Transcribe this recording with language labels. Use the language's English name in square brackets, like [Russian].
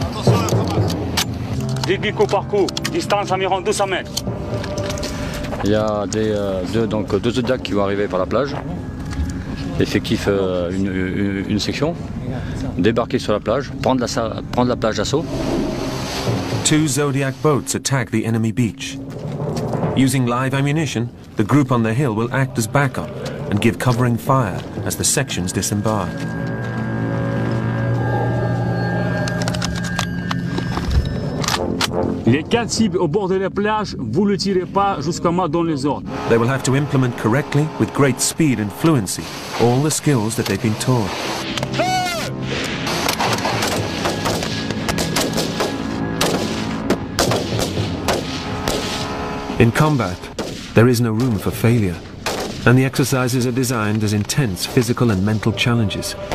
[French] Attention, la famas. Début coup par coup, distance environ 200 mètres. Il y a des, deux Zodiacs qui vont arriver par la plage. Effectif une section. Débarquer sur la plage, prendre la plage d'assaut. [English] Two Zodiac boats attack the enemy beach. Using live ammunition, the group on the hill will act as backup and give covering fire as the sections disembark. [French] Les quatre cibles au bord de la plage, vous ne tirez pas jusqu'à moi dans les ordres. [English] They will have to implement correctly with great speed and fluency, all the skills that they've been taught. In combat, there is no room for failure, and the exercises are designed as intense physical and mental challenges.